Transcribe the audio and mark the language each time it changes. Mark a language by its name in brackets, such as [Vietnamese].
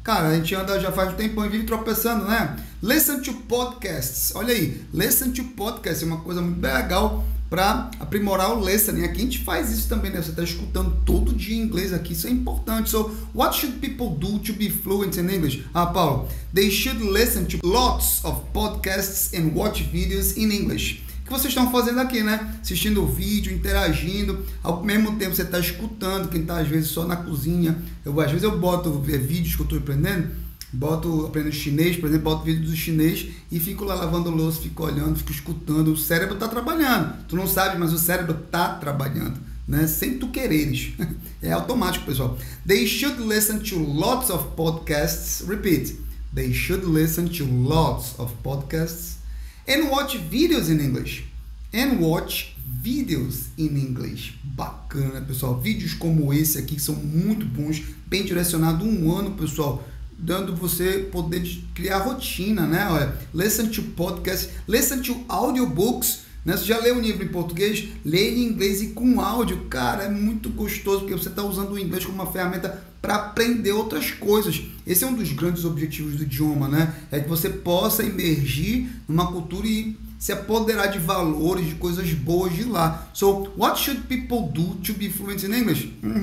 [Portuguese] Cara, a gente anda já faz um tempão e vive tropeçando, né? [English] Listen to podcasts. [Portuguese] Olha aí. [English] Listen to podcasts [Portuguese] é uma coisa muito legal para aprimorar o listening. Aqui a gente faz isso também, né? Você está escutando todo dia em inglês aqui. Isso é importante. [English] So, what should people do to be fluent in English? Ah, Paulo. They should listen to lots of podcasts and watch videos in English. [Portuguese] O que vocês estão fazendo aqui, né? Assistindo o vídeo, interagindo. Ao mesmo tempo, você está escutando. Quem está, às vezes, só na cozinha. Às vezes, eu boto vídeos que eu estou aprendendo. Boto aprendendo chinês, por exemplo, boto vídeo do chinês e fico lá lavando louça, fico olhando, fico escutando. O cérebro está trabalhando. Tu não sabe, mas o cérebro está trabalhando, né? Sem tu quereres. É automático, pessoal. [English] They should listen to lots of podcasts. Repeat. They should listen to lots of podcasts and watch videos in English. And watch videos in English. [Portuguese] Bacana, pessoal. Vídeos como esse aqui que são muito bons, bem direcionado, um ano, pessoal. Dando você poder criar rotina, né? Olha, [English] listen to podcasts, listen to audiobooks, [Portuguese] né? Você já leu um livro em português? Lê em inglês e com áudio. Cara, é muito gostoso, porque você está usando o inglês como uma ferramenta para aprender outras coisas. Esse é um dos grandes objetivos do idioma, né? É que você possa emergir numa cultura e se apoderar de valores, de coisas boas de lá. [English] So, what should people do to be fluent in English?